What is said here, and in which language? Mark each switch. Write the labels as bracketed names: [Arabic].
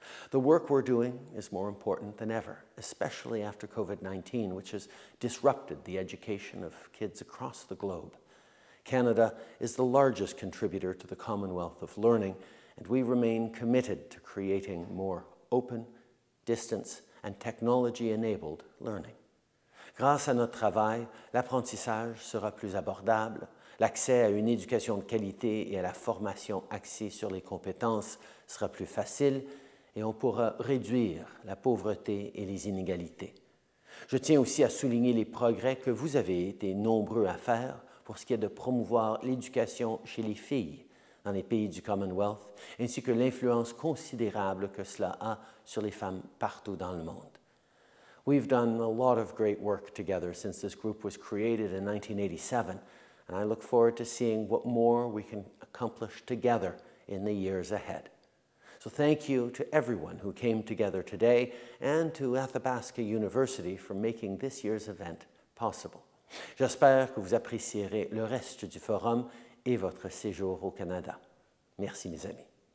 [English] The work we're doing is more important than ever, especially after COVID-19, which has disrupted the education of kids across the globe. Canada is the largest contributor to the Commonwealth of Learning, and we remain committed to creating more open, distance, and technology-enabled learning. [French] Grâce à notre travail, l'apprentissage sera plus abordable, l'accès à une éducation de qualité et à la formation axée sur les compétences sera plus facile, et on pourra réduire la pauvreté et les inégalités. Je tiens aussi à souligner les progrès que vous avez été nombreux à faire pour ce qui est de promouvoir l'éducation chez les filles dans les pays du Commonwealth, ainsi que l'influence considérable que cela a sur les femmes partout dans le monde. [English] We've done a lot of great work together since this group was created in 1987, and I look forward to seeing what more we can accomplish together in the years ahead. So thank you to everyone who came together today and to Athabasca University for making this year's event possible. [French] J'espère que vous apprécierez le reste du forum et votre séjour au Canada. Merci, mes amis.